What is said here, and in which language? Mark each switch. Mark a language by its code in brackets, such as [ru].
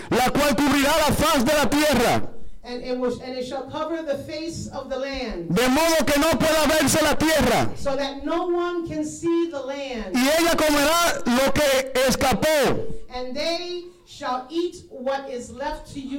[es] La cual cubrirá la faz de la tierra. [en] And it shall cover the face of the land. [es] De modo que no pueda verse la tierra. [en] So that no one can see the land. [es] Y ella comerá lo que escapó. [en] And they shall eat what is left to you.